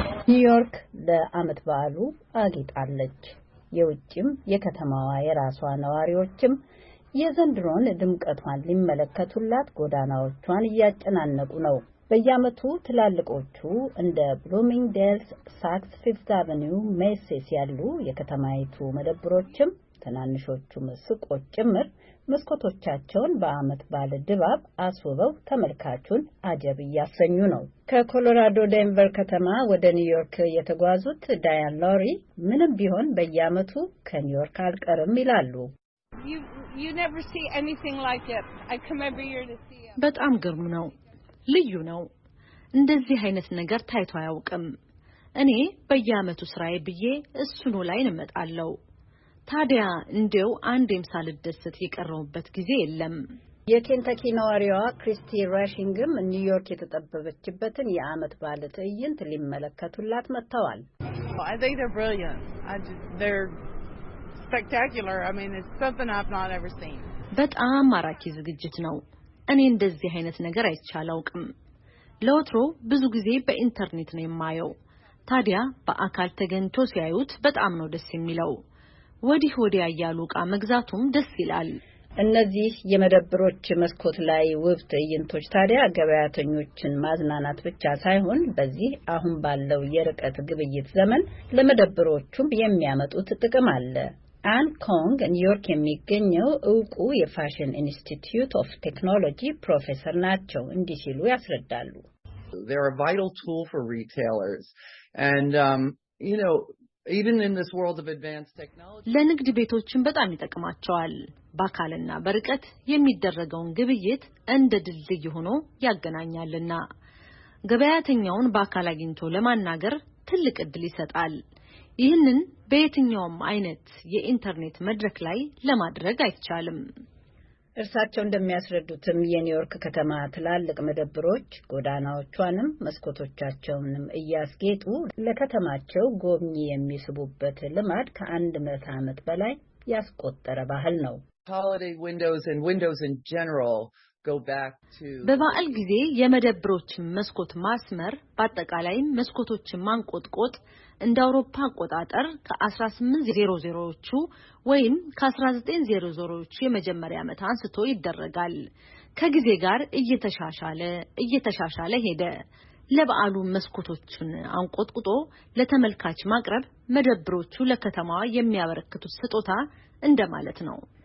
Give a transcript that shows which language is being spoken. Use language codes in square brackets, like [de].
[am] ኒውዮርክ ለአመት በዓሉ አጊጣለች። የውጭም የከተማዋ የራሷ ነዋሪዎችም የዘንድሮን ድምቀቷን ሊመለከቱላት ጎዳናዎቿን እያጨናነቁ ነው። በየአመቱ ትላልቆቹ እንደ ብሉሚንግዴልስ፣ ሳክስ ፊፍዝ አቨኒው፣ ሜሲስ ያሉ የከተማይቱ መደብሮችም ተናንሾቹ መስቆች ጭምር መስኮቶቻቸውን በአመት ባለ ድባብ አስውበው ተመልካቹን አጀብ ያሰኙ ነው። ከኮሎራዶ ዴንቨር ከተማ ወደ ኒውዮርክ የተጓዙት ዳያን ሎሪ ምንም ቢሆን በየአመቱ ከኒውዮርክ አልቀርም ይላሉ። [en] You never see anything like it. I come every year to see it. [am] በጣም ግርም ነው። ልዩ ነው። እንደዚህ አይነት ነገር ታይቶ አያውቅም። እኔ በየአመቱ ስራዬ ብዬ እሱኑ ላይ እንመጣለሁ። ታዲያ እንደው አንዴም ሳልደስት ይቀርውበት ጊዜ የለም። የኬንታኪ ነዋሪዋ ክሪስቲ ራሽንግም ኒውዮርክ የተጠበበችበትን የአመት በዓል ትዕይንት ሊመለከቱላት መጥተዋል። [en] I think they're brilliant. They're spectacular. I mean it's something I've not ever seen. [am] በጣም ማራኪ ዝግጅት ነው። እኔ እንደዚህ አይነት ነገር አይቻለውም። ለወትሮ ብዙ ጊዜ በኢንተርኔት ነው የማየው። ታዲያ በአካል ተገንቶ ሲያዩት በጣም ነው ደስ የሚለው። ወዲህ ወዲያ ያሉ ቃ መግዛቱም ደስ ይላል። እነዚህ የመደብሮች መስኮት ላይ ውብ ትዕይንቶች ታዲያ ገበያተኞችን ማዝናናት ብቻ ሳይሆን በዚህ አሁን ባለው የርቀት ግብይት ዘመን ለመደብሮቹም የሚያመጡት ጥቅም አለ። አን ኮንግ ኒውዮርክ የሚገኘው እውቁ የፋሽን ኢንስቲትዩት ኦፍ ቴክኖሎጂ ፕሮፌሰር ናቸው። እንዲህ ሲሉ ያስረዳሉ። [en] They are a vital tool for retailers and you know even in this world of advanced technology [am] ለንግድ ቤቶችን በጣም ይጠቅማቸዋል። ባካልና በርቀት የሚደረገውን ግብይት እንደ ድልድይ ሆኖ ያገናኛልና ገበያተኛውን ባካል አግኝቶ ለማናገር ትልቅ እድል ይሰጣል። ይህንን በየትኛውም አይነት የኢንተርኔት መድረክ ላይ ለማድረግ አይቻልም። እርሳቸው እንደሚያስረዱትም የኒውዮርክ ከተማ ትላልቅ መደብሮች ጎዳናዎቿንም መስኮቶቻቸውንም እያስጌጡ ለከተማቸው ጎብኚ የሚስቡበት ልማድ ከአንድ መቶ ዓመት በላይ ያስቆጠረ ባህል ነው። [en] Holiday windows and windows in general go back to [am] በበዓል ጊዜ የመደብሮችን መስኮት ማስመር በአጠቃላይ መስኮቶችን ማንቆጥቆጥ እንደ አውሮፓ አቆጣጠር ከ1800ዎቹ ወይም ከ1900ዎቹ የመጀመሪያ ዓመት አንስቶ ይደረጋል። ከጊዜ ጋር እየተሻሻለ ሄደ። ለበዓሉ መስኮቶችን አንቆጥቁጦ ለተመልካች ማቅረብ መደብሮቹ ለከተማዋ የሚያበረክቱት ስጦታ እንደማለት ነው።